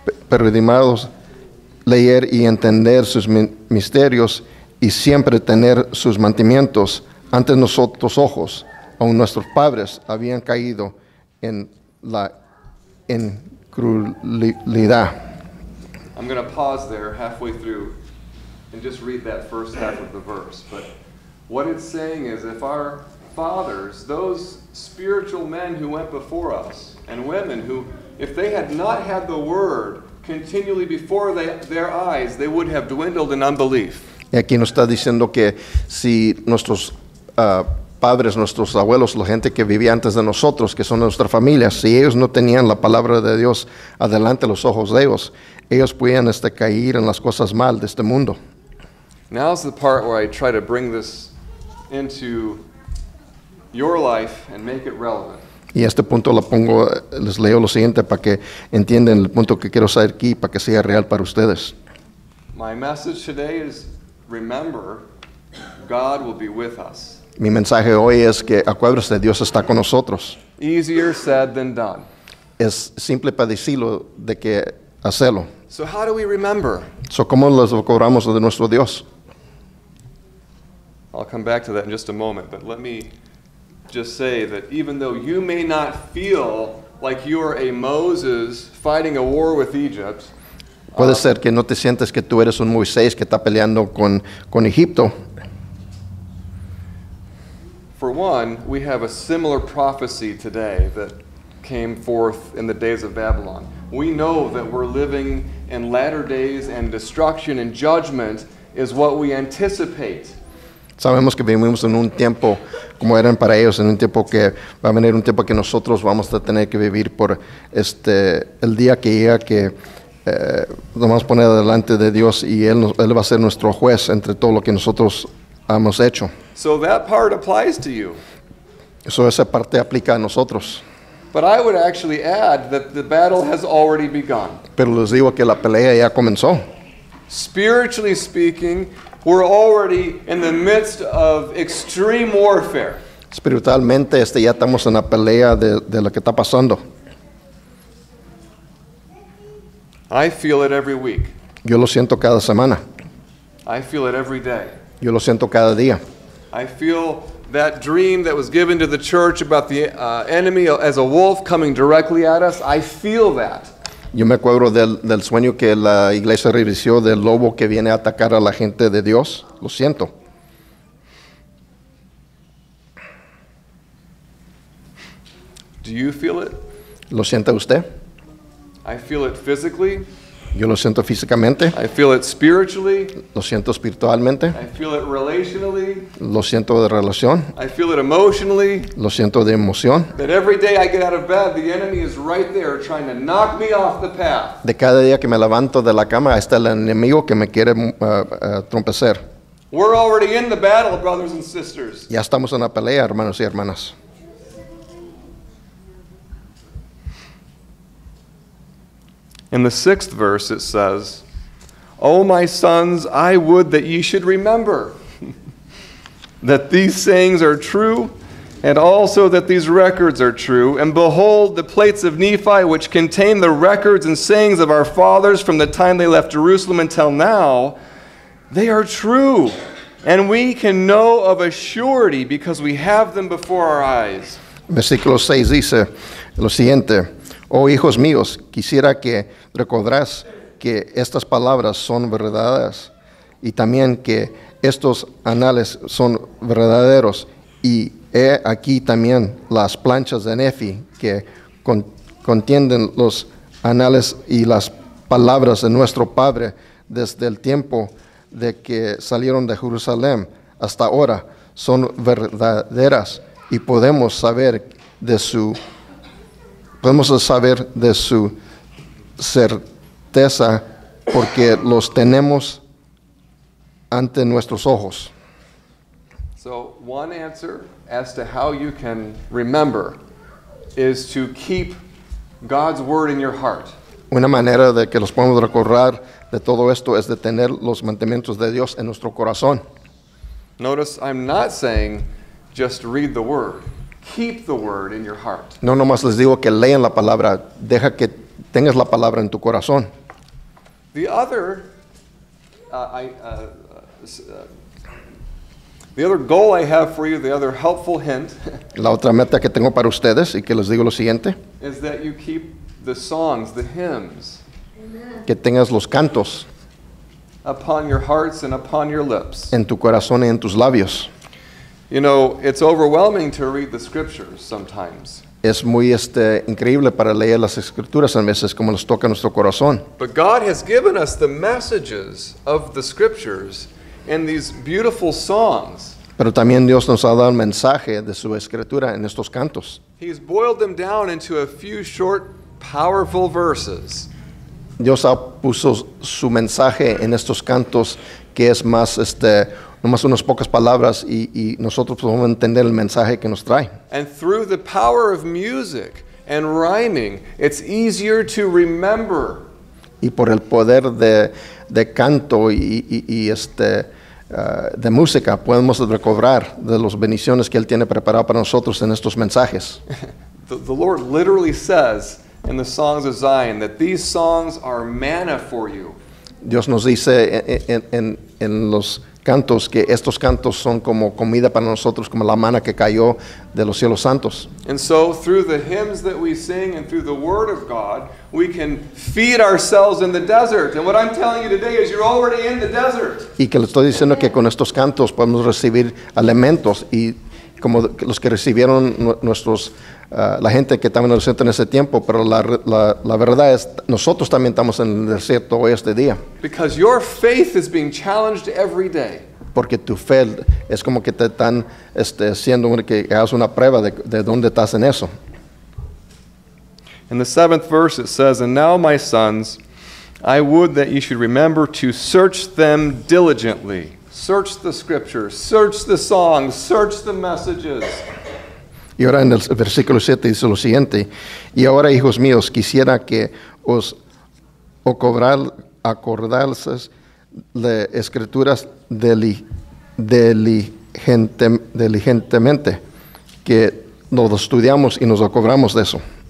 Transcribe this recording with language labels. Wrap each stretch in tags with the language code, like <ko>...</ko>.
<es>perdimados leer y entender sus misterios y siempre tener sus mantenimientos ante nosotros ojos, aun nuestros padres habían caído en la incredulidad.</es> <en>I'm going to pause there halfway through and just read that first half of the verse. But what it's saying is if our fathers, those spiritual men who went before us and women who, if they had not had the word continually before their eyes, they would have dwindled in unbelief.</en> <es>Y aquí nos está diciendo que si nuestros padres, nuestros abuelos, la gente que vivía antes de nosotros, que son nuestras familias, si ellos no tenían la palabra de Dios adelante los ojos de ellos, ellos podían caer en las cosas mal de este mundo.</es> <en>Now's the part where I try to bring this into your life and make it relevant.</en> <es>Y este punto lo pongo, les leo lo siguiente para que entiendan el punto que quiero saber aquí para que sea real para ustedes.</es> <en>My message today is, remember, God will be with us.</en> <es>Mi mensaje hoy es que acuérdese, Dios está con nosotros.</es> <en>Easier said than done.</en> <es>Es simple para decirlo de que hacerlo.</es> <en>So how do we remember?</en> <es>So ¿cómo los recordamos de nuestro Dios?</es> <en>I'll come back to that in just a moment, but let me just say that even though you may not feel like you are a Moses fighting a war with Egypt,</en> <es>puede ser que no te sientes que tú eres un Moisés que está peleando con Egipto.</es> <en>For one, we have a similar prophecy today that came forth in the days of Babylon. We know that we're living in latter days and destruction and judgment is what we anticipate.</en> <es>Sabemos que vivimos en un tiempo como eran para ellos, en un tiempo que va a venir un tiempo que nosotros vamos a tener que vivir por el día que llega que nos vamos a poner delante de Dios y él va a ser nuestro juez entre todo lo que nosotros hemos hecho.</es> <en>So that part applies to you.</en> <es>Eso esa parte aplica a nosotros.</es> <en>But I would actually add that the battle has already begun.</en> <es>Pero les digo que la pelea ya comenzó.</es> <en>Spiritually speaking, we're already in the midst of extreme warfare.</en> <es>Espiritualmente, ya estamos en la pelea de lo que está pasando.</es> <en>I feel it every week.</en> <es>Yo lo siento cada semana.</es> <en>I feel it every day.</en> <es>Yo lo siento cada día.</es> <en>I feel that dream that was given to the church about the enemy as a wolf coming directly at us. I feel that.</en> <es>Yo me acuerdo del sueño que la iglesia recibió del lobo que viene a atacar a la gente de Dios. Lo siento.</es> <en>Do you feel it?</en> <es>¿Lo siente usted?</es> <en>I feel it physically.</en> <es>Yo lo siento físicamente.</es> <en>I feel it spiritually.</en> <es>Lo siento espiritualmente.</es> <en>I feel it relationally.</en> <es>Lo siento de relación.</es> <en>I feel it emotionally.</en> <es>Lo siento de emoción.</es> <en>That every day I get out of bed, the enemy is right there trying to knock me off the path.</en> <es>De cada día que me levanto de la cama, está el enemigo que me quiere trompecer.</es> <en>We're already in the battle, brothers and sisters.</en> <es>Ya estamos en la pelea, hermanos y hermanas.</es> <en>In the sixth verse, it says, "Oh, my sons, I would that ye should remember that these sayings are true, and also that these records are true. And behold, the plates of Nephi, which contain the records and sayings of our fathers from the time they left Jerusalem until now, they are true. And we can know of a surety because we have them before our eyes."</en> <es>Versículo 6 dice lo siguiente. Oh, hijos míos, quisiera que recordás que estas palabras son verdaderas y también que estos anales son verdaderos. Y he aquí también las planchas de Nefi que contienen los anales y las palabras de nuestro padre desde el tiempo de que salieron de Jerusalén hasta ahora son verdaderas y podemos saber de su podemos saber de su certeza porque los tenemos ante nuestros ojos.</es> <en>So one answer as to how you can remember is to keep God's word in your heart.</en> <es>Una manera de que los podemos recordar de todo esto es de tener los mandamientos de Dios en nuestro corazón.</es> <en>Notice I'm not saying just read the word. Keep the word in your heart.</en> <es>No, nomás les digo que lean la palabra. Deja que tengas la palabra en tu corazón.</es> <en>The other goal I have for you, the other helpful hint.</en> <es>La otra meta que tengo para ustedes y que les digo lo siguiente.</es> <en>Is that you keep the songs, the hymns.</en> <es>Que tengas los cantos.</es> <en>Upon your hearts and upon your lips.</en> <es>En tu corazón y en tus labios.</es> <en>You know, it's overwhelming to read the scriptures sometimes.</en> <es>Es muy increíble para leer las escrituras a veces como nos toca nuestro corazón.</es> <en>But God has given us the messages of the scriptures in these beautiful songs.</en> <es>Pero también Dios nos ha dado el mensaje de su escritura en estos cantos.</es> <en>He's boiled them down into a few short, powerful verses.</en> <es>Dios ha puesto su mensaje en estos cantos que es más nomás unas pocas palabras y nosotros podemos entender el mensaje que nos trae.</es> <en>And through the power of music and rhyming, it's easier to remember.</en> <es>Y por el poder de canto y de música, podemos recobrar de las bendiciones que Él tiene preparado para nosotros en estos mensajes.</es> <en>The Lord literally says in the songs of Zion that these songs are manna for you.</en> <es>Dios nos dice en los cantos, que estos cantos son como comida para nosotros, como la maná que cayó de los cielos santos.</es> <en>And so, through the hymns that we sing and through the word of God, we can feed ourselves in the desert. And what I'm telling you today is you're already in the desert.</en> <es>Y que le estoy diciendo que con estos cantos podemos recibir alimentos y como los que recibieron nuestros la gente que también lo siente en ese tiempo, pero la verdad es nosotros también estamos en el desierto hoy este día.</es> <en>Because your faith is being challenged every day.</en> <es>Porque tu fe es como que te están siendo que hagas una prueba de dónde estás en eso.</es> <en>In the seventh verse it says, "And now my sons, I would that you should remember to search them diligently." Search the scriptures, search the songs, search the messages.</en> <es>Y ahora en el versículo 7 dice lo siguiente. Y ahora, hijos míos, quisiera que os acordáis de escrituras diligentemente, que nos estudiamos y nos acordamos de eso.</es>